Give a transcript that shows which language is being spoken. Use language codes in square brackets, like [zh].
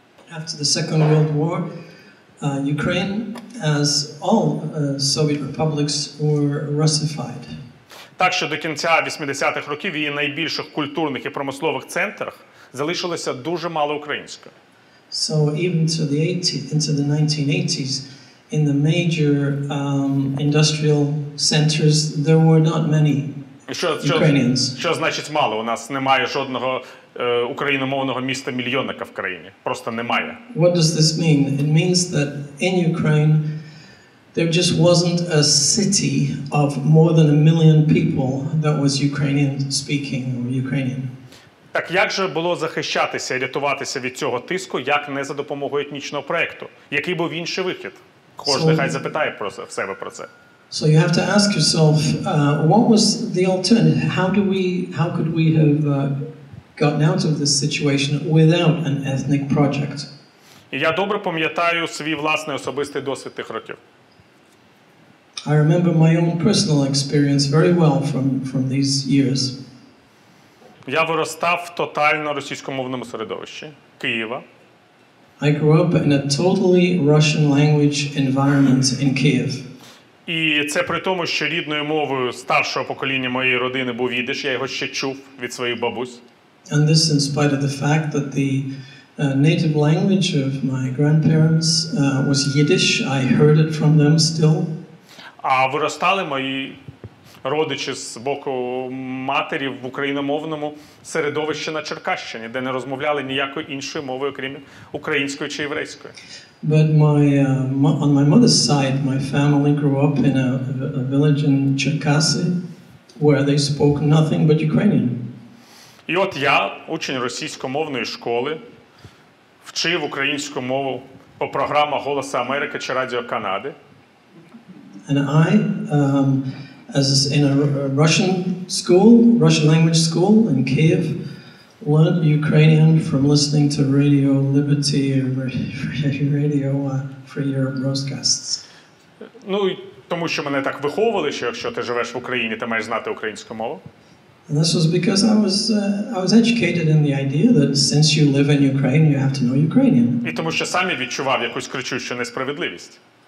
[en] After the Second World War, Ukraine, as all Soviet republics, were Russified. [uk] Так що до кінця 80-х років в її найбільших культурних і промислових центрах залишилося дуже мало українського. [en] So even to the 1980s, in the major industrial centers, there were not many Ukrainians. [uk] Що значить мало? У нас немає жодного україномовного міста мільйонника в країні. Просто немає. [en] What does this mean? It means that in Ukraine there just wasn't a city of more than a million people that was Ukrainian speaking or Ukrainian. [uk] Так як же було захищатися і рятуватися від цього тиску, як не за допомогою етнічного проекту? Який був інший вихід? Кожен хай запитає про це, в себе про це. [en] So you have to ask yourself, what was the alternative? How could we have gotten out of this situation without an ethnic project? [uk] Я добре пам'ятаю свій власний особистий досвід тих років. [en] I remember my own personal experience very well from these years. [uk] Я виростав в тотально російськомовному середовищі Києва. [en] I grew up in a totally Russian language environment in Kyiv. [uk] І це при тому, що рідною мовою старшого покоління моєї родини був ідиш, я його ще чув від своїх бабусь. [en] And this in spite of the fact that the native language of my grandparents was Yiddish, I heard it from them still. [uk] А виростали мої родичі з боку матері в україномовному середовищі на Черкащині, де не розмовляли ніякою іншою мовою, окрім української чи єврейської. [en] But my on my mother's side, my family grew up in a village in Черкаси, where they spoke nothing but Ukrainian. [uk] І от я, учень російськомовної школи, вчив українську мову по програмах «Голоса Америки» чи «Радіо Канади». [en] And I, as in a Russian school, Russian language school in Kyiv, learned Ukrainian from listening to Radio Liberty and Radio Free Europe broadcasts. [uk] Ну, тому що мене так виховували, що якщо ти живеш в Україні, ти маєш знати українську мову. [en] And this was because I was educated in the idea that since you live in Ukraine, you have to know Ukrainian. [uk] І тому що сам відчував якусь кричущу несправедливість.